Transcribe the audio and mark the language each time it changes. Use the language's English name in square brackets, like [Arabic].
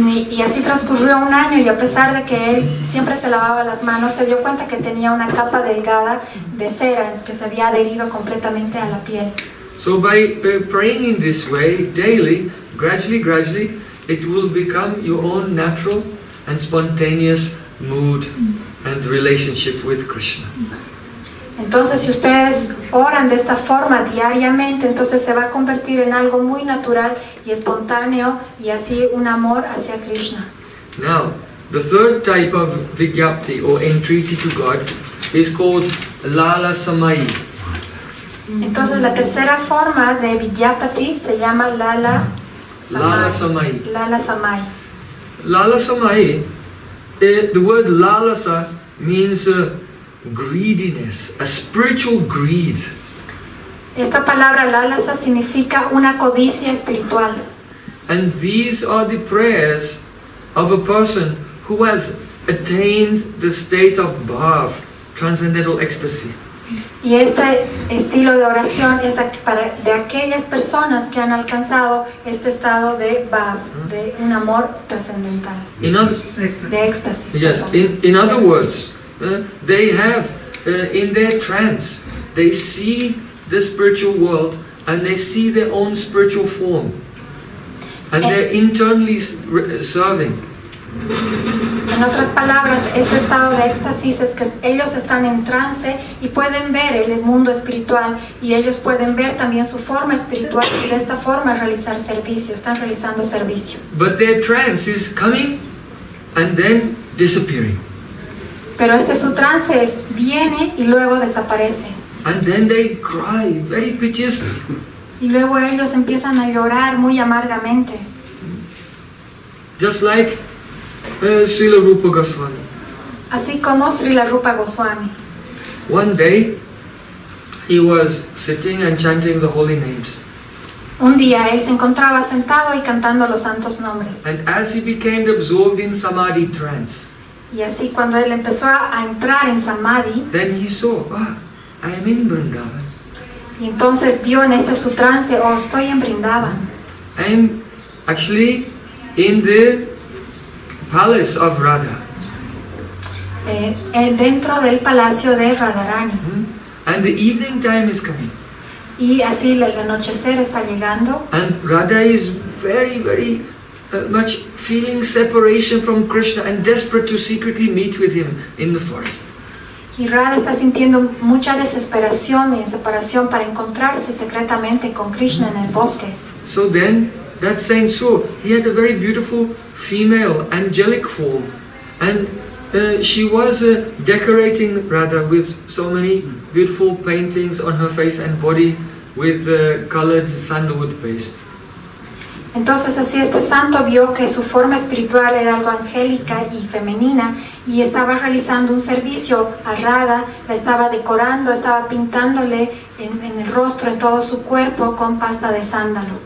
[Spanish] Y así transcurrió un año, y a pesar de que él siempre se lavaba las manos, se dio cuenta que tenía una capa delgada de cera que se había adherido completamente a la piel. [English] So by praying in this way daily, gradually, it will become your own natural and spontaneous mood and relationship with Krishna. [Spanish] Entonces, si ustedes oran de esta forma diariamente, entonces se va a convertir en algo muy natural y espontáneo, y así un amor hacia Krishna. [English] Now, the third type of vijapti or entreaty to God is called lala samayi. [Spanish] Entonces, la tercera forma de vijapati se llama lala samayi. Lala samayi. Lala samayi. [English] Lala samayi, the word lalasa means greediness, a spiritual greed. [Spanish] Esta palabra lalasa significa una codicia espiritual. [English] And these are the prayers of a person who has attained the state of bhav, transcendental ecstasy. [Spanish] Y este estilo de oración es para de aquellas personas que han alcanzado este estado de bhav, de un amor trascendental. [English] In other words, they have in their trance, they see the spiritual world and they see their own spiritual form, and they're internally serving. [Spanish] En otras palabras, este estado de éxtasis es que ellos están en trance y pueden ver el mundo espiritual, y ellos pueden ver también su forma espiritual, y de esta forma realizar servicio, están realizando servicio. [English] But their trance is coming and then disappearing. [Spanish] Pero este su trance es, viene y luego desaparece. [English] And then they cry very piteously. [Spanish] Y luego ellos empiezan a llorar muy amargamente. [English] Just like Srila Rupa Goswami. [Spanish] Así como Srila Rupa Goswami. [English] One day he was sitting and chanting the holy names. [Spanish] Un día él se encontraba sentado y cantando los santos nombres. [English] And as he became absorbed in samadhi trance. [Spanish] Y así cuando él empezó a entrar en samadhi, [English] then he saw, I am in Vrindavan. [Spanish] Y entonces vio en este su trance, estoy en Vrindavan. [English] I am actually in the palace of Radha. [Spanish] Dentro del palacio de Radharani. Mm-hmm. [English] And the evening time is coming. [Spanish] Y así el anochecer está llegando. [English] And Radha is very, very much feeling separation from Krishna and desperate to secretly meet with him in the forest. [Spanish] Y Radha está sintiendo mucha desesperación y separación para encontrarse secretamente con Krishna en el bosque. [English] So then, that saint saw, he had a very beautiful female angelic form, and she was decorating Radha with so many beautiful paintings on her face and body with the colored sandalwood paste. [Spanish] Entonces así este santo vio que su forma espiritual era algo angélica y femenina, y estaba realizando un servicio a Radha, la estaba decorando, estaba pintándole en el rostro, en todo su cuerpo con pasta de sándalo.